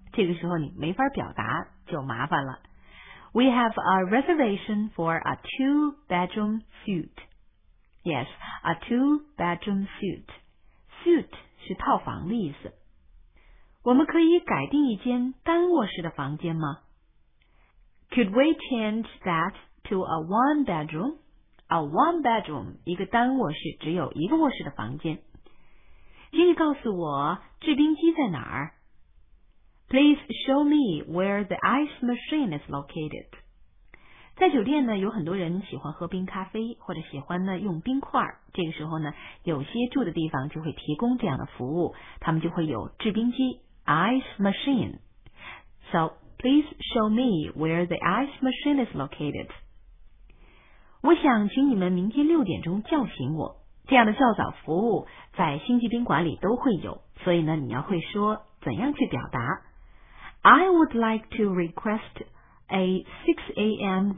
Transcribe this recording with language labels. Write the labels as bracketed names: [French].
[Chinese] 这个时候你没法表达就麻烦了。 [English] We have a reservation for a two-bedroom suite. Yes, a two-bedroom suite. Suite 是套房的意思。 [Chinese] 我们可以改订一间单卧室的房间吗？ [English] Could we change that to a one-bedroom? [Chinese] A one-bedroom, 一个单卧室，只有一个卧室的房间。请你告诉我制冰机在哪儿？ [English] Please show me where the ice machine is located. [Chinese] 在酒店呢，有很多人喜欢喝冰咖啡，或者喜欢呢用冰块。这个时候呢，有些住的地方就会提供这样的服务，他们就会有制冰机 ice machine. [English] So please show me where the ice machine is located. [Chinese] 我想请你们明天六点钟叫醒我。这样的较早服务在星级宾馆里都会有，所以呢，你要会说怎样去表达。 [English] I would like to request a 6 a.m.